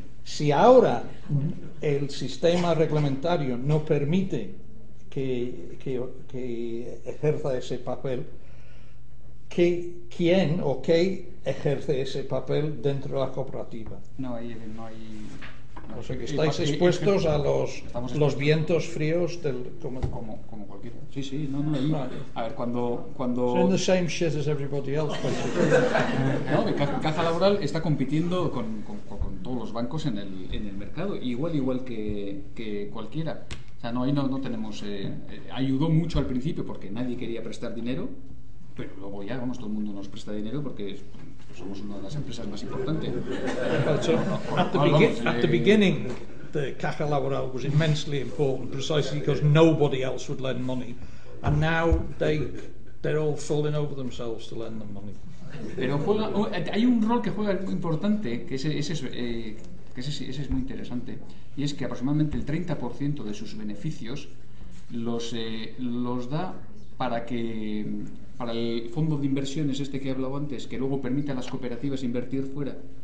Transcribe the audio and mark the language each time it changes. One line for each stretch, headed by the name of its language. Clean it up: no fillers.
Spanish: Si ahora el sistema reglamentario no permite que ejerza ese papel, ¿quién o qué ejerce ese papel dentro de la cooperativa? No hay. O sea que estáis expuestos a los vientos fríos del como cualquiera. Sí, no hay. A ver, cuando
English: so in the same shit as everybody else.
Spanish: No, Caja Laboral está compitiendo con todos los bancos en el mercado igual que cualquiera. O sea, no tenemos ayudó mucho al principio porque nadie quería prestar dinero. Pero luego ya, vamos, todo el mundo nos presta dinero porque somos una de las empresas más importantes.
English: At the beginning, the Caja Laboral was immensely important, precisely because nobody else would lend money. And now they're all falling over themselves to lend them money.
Spanish: Pero hay un rol que juega muy importante, que ese es muy interesante, y es que aproximadamente el 30% de sus beneficios los da para el fondo de inversiones este que he hablado antes, que luego permite a las cooperativas invertir fuera.